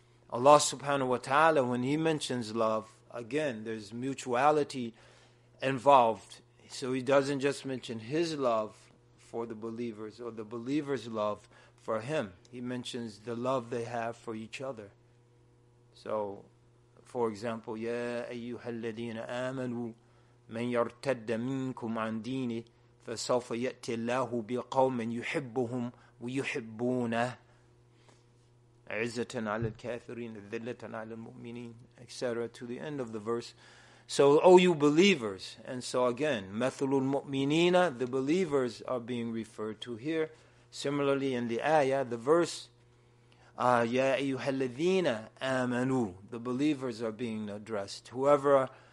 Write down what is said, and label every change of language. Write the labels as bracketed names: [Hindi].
[English] Allah subhanahu wa ta'ala, when he mentions love, again, there's mutuality involved. So he doesn't just mention his love for the believers or the believers' love for him. He mentions the love they have for each other. So, for example, [Arabic] يَا أَيُّهَا الَّذِينَ آمَنُوا مَنْ يَرْتَدَّ مِنْكُمْ عَنْ دِينِ فَسَوْفَ يَأْتِ اللَّهُ بِقَوْمٍ يُحِبُّهُمْ وَيُحِبُّونَهُ عِزَّةً عَلَى الْكَافِرِينَ ذِلَّةً عَلَى الْمُؤْمِنِينَ etc. [English] to the end of the verse. So, oh, you believers, and so again, [Arabic] مَثُلُ الْمُؤْمِنِينَ, [English] the believers are being referred to here. Similarly, in the ayah, the verse, [Arabic] يَا أَيُّهَا الَّذِينَ آمَنُوا, [English] the believers are being addressed. Whoever